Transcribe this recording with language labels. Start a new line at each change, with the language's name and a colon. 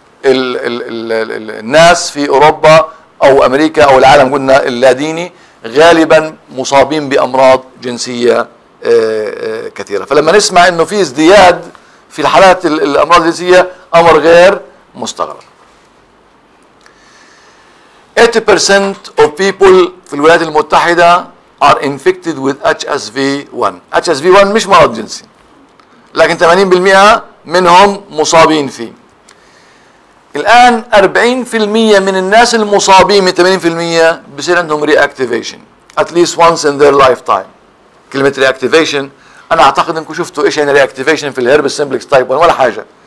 Arabic: الناس في أوروبا أو أمريكا أو العالم قلنا اللاديني غالبا مصابين بأمراض جنسية كثيرة. فلما نسمع أنه في ازدياد في الحالات الأمراض الجنسية أمر غير مستغرب.
English: 80% of people
Arabic: في الولايات المتحدة
English: are infected with HSV-1.
Arabic: HSV-1 مش مرض جنسي، لكن 80% منهم مصابين فيه. الآن 40% من الناس المصابين من 80% بصير عندهم
English: reactivation at least once in their lifetime.
Arabic: كلمة reactivation أنا أعتقد أنكم شفتوا إيش يعني reactivation في الهربس سيمبلكس تايب 1 ولا حاجة.